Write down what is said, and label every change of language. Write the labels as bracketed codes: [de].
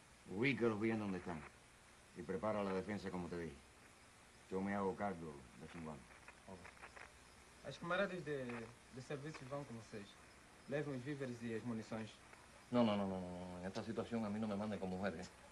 [es] Ubícalos bien donde están y prepara la defensa como te dije. Yo me hago cargo de Chingundo. [pt] Okay. As camaradas de serviço vão com vocês. Levem os víveres e as munições. Não. [es] En esta situación a mí no me manden con mujeres.